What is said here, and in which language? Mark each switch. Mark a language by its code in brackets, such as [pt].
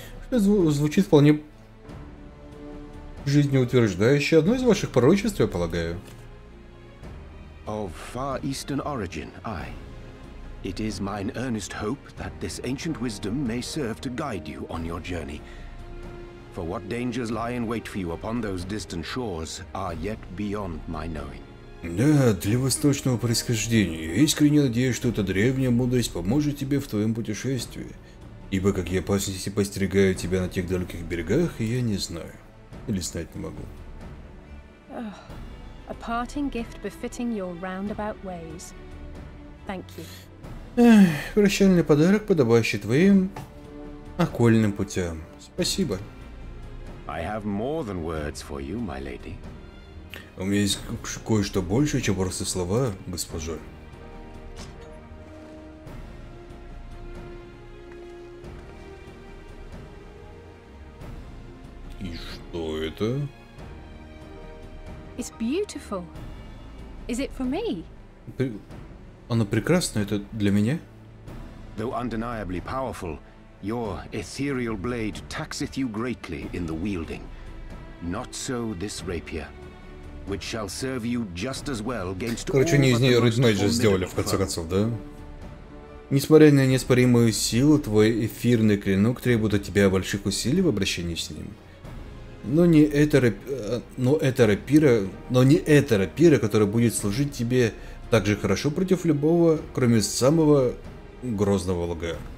[ru] Звучит вполне жизнеутверждающе. Одно из ваших пророчеств, я полагаю. [en] Of far eastern origin, aye. It is mine earnest hope that this ancient wisdom may serve to guide you on your journey. For what dangers lie in wait for you upon those distant shores are yet beyond my knowing. [ru] Да, для восточного происхождения. Я искренне надеюсь, что эта древняя мудрость поможет тебе в твоем путешествии. Ибо какие опасности подстерегают тебя на тех далеких берегах, я не знаю. Или знать не могу. [en] Oh, a parting gift befitting your roundabout ways. Thank you. [ru] Прощальный подарок, подобающий твоим окольным путям. Спасибо. [en] I have more than words for you, my lady. [ru] У меня есть кое-что большее, чем просто слова, госпожа. И что это? [en] It's beautiful. Is it for me? [ru] Оно прекрасно, это для меня? [en] Though undeniably powerful, your ethereal blade taxeth you greatly in the wielding. Not so this rapier, which shall serve you just as well against all. [ru] Короче, не из нее Ridge сделали в конце концов, да? Несмотря на неоспоримую силу, твой эфирный клинок требует от тебя больших усилий в обращении с ним. Но не эта рапира, которая будет служить тебе так же хорошо против любого, кроме самого грозного лга.